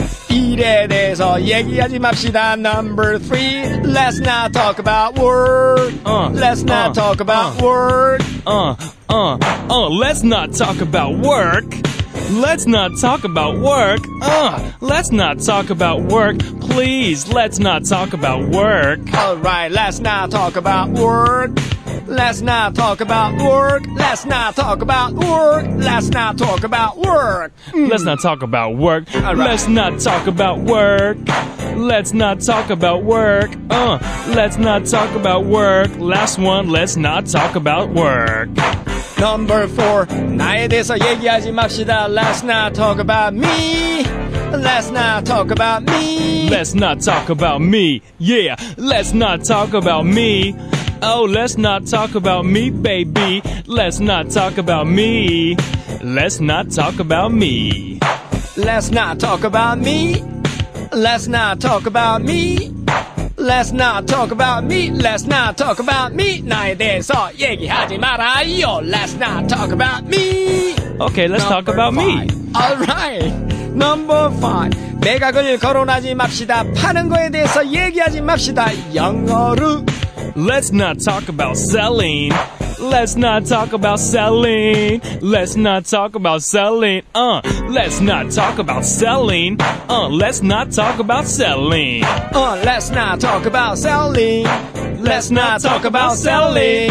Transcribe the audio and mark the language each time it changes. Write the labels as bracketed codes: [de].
[ko] 일에 대해서 얘기하지 맙시다. [en] Number three. Let's not talk about work. Let's not talk about work. Let's not talk about work. Let's not talk about work. Let's not talk about work. Please, let's not talk about work. All right, let's not talk about work. Let's not talk about work. Let's not talk about work. Let's not talk about work. Let's not talk about work. Let's not talk about work. Let's not talk about work. Let's not talk about work. Last one, let's not talk about work. Number four, [ko] 나에 대해서 얘기하지 맙시다. [en] Let's not talk about me. Let's not talk about me. Let's not talk about me. Yeah, let's not talk about me. Oh, let's not talk about me, baby. Let's not talk about me. Let's not talk about me. Let's not talk about me. Let's not talk about me. Let's not talk about me. Let's not talk about me. [ko] 나에 대해서 얘기하지 말아요. [en] Let's not talk about me. Okay, let's talk about me. All right. Number five. [ko] 매각을 거론하지 맙시다. 파는 거에 대해서 얘기하지 맙시다. 영어로. [en] Let's not talk about selling. Let's not talk about selling. Let's not talk about selling. Let's not talk about selling. Let's not talk about selling. Let's not talk about selling. Let's not talk about selling.